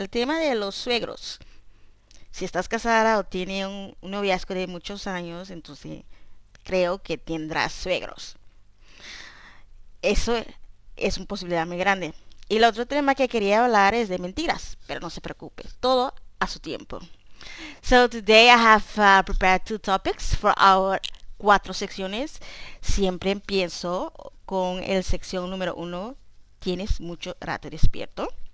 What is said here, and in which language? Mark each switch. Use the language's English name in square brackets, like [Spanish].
[Spanish] El tema de los suegros. Si estás casada o tienes un noviazgo de muchos años, entonces creo que tendrás suegros. Eso es una posibilidad muy grande. Y el otro tema que quería hablar es de mentiras, pero no se preocupe, todo a su tiempo. [English] So today I have prepared 2 topics for our 4 [Spanish] secciones. Siempre empiezo con el sección número 1, tienes mucho rato despierto.